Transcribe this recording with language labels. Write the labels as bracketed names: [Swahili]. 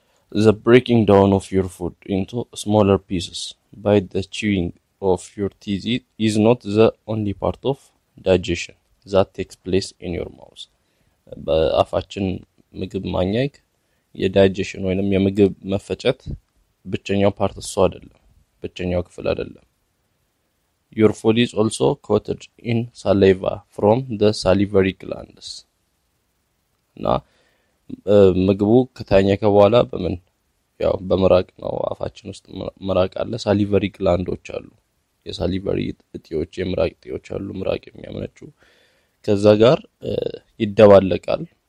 [English] The breaking down of your food into smaller pieces by the chewing of your teeth is not the only part of digestion that takes place in your mouth. [Amharic] በአፋችን ምግብ ማኘክ የዳይጀሽን ወይንም የምግብ መፈጨት ብቸኛው part እሱ አይደለም ብቸኛው ክፍል አይደለም. [English] Your food is also coated in saliva from the salivary glands. [Amharic] Na ምግቡ ከታኘከ በኋላ በምን ያው በመራቅ ነው አፋችን ውስጥ መራቅ አለ salivary glands አሉ የሳሊቨሪ እጢዎች የምራቅ እጢዎች አሉ ምራቅ የሚያመነጩ ከዛ ጋር ይደባለቃል